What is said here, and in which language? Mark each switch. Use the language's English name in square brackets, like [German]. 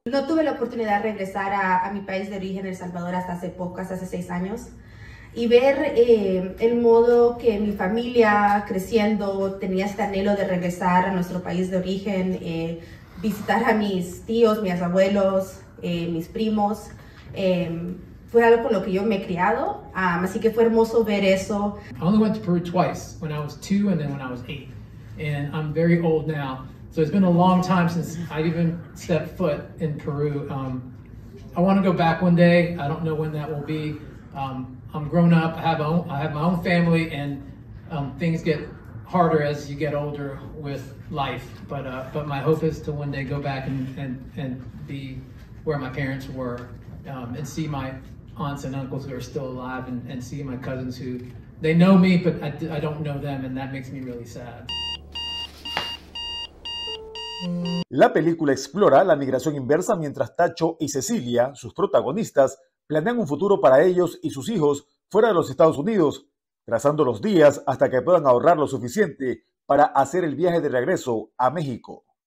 [Spanish] No tuve la oportunidad de regresar a mi país de origen, El Salvador, hasta hace poco, hasta hace 6 años, y ver el modo que mi familia, creciendo, tenía este anhelo de regresar a nuestro país de origen, visitar a mis tíos, mis abuelos, mis primos, fue algo con lo que yo me he criado, así que fue hermoso ver eso. [English] I only went to Peru twice, when I was 2 and then when I was 8. And I'm very old now, so it's been a long time since I even stepped foot in Peru. I want to go back one day. I don't know when that will be. I'm grown up. I have my own family, and things get harder as you get older with life. But my hope is to one day go back and be where my parents were. And see my aunts and uncles who are still alive, and see my cousins who, they know me, but I don't know them, and that makes me really sad. [Spanish] La película explora la migración inversa mientras Tacho y Cecilia, sus protagonistas, planean un futuro para ellos y sus hijos fuera de los Estados Unidos, trazando los días hasta que puedan ahorrar lo suficiente para hacer el viaje de regreso a México.